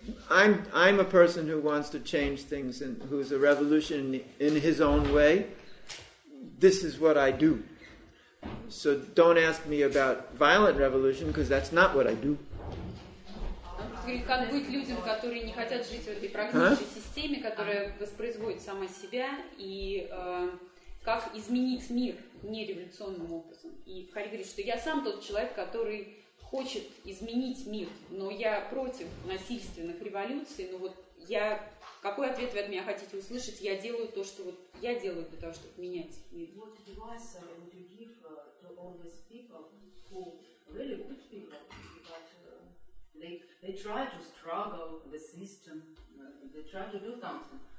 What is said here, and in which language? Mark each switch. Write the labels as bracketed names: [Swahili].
[English] I'm a person who wants to change things and who's a revolution in his own way. This is what I do. So don't ask me about violent revolution because that's not what I do. [Russian] Как быть людям, которые не хотят жить в этой прогнившей системе, которая воспроизводит сама себя, и как изменить мир нереволюционным образом? И Харри говорит, что я сам тот человек, который хочет изменить мир, но я против насильственных революций, но вот я... Какой ответ вы от меня хотите услышать? Я делаю то, что вот я делаю для того, чтобы менять мир. [English] What advice would you give to all these people who are really good people, but they try to struggle the system, they try to do something?